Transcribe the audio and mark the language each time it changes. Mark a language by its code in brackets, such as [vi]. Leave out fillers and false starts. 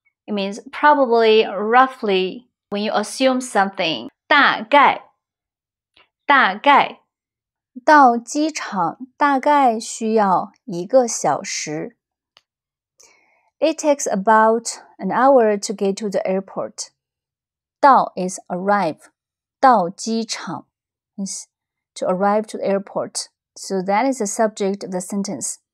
[en] It means probably, roughly, when you assume something. [zh] 大概。大概。到机场大概需要一个小时。 [en] It takes about an hour to get to the airport. 到 is arrive. [zh] 到机场。 [en] To arrive to the airport. So that is the subject of the sentence.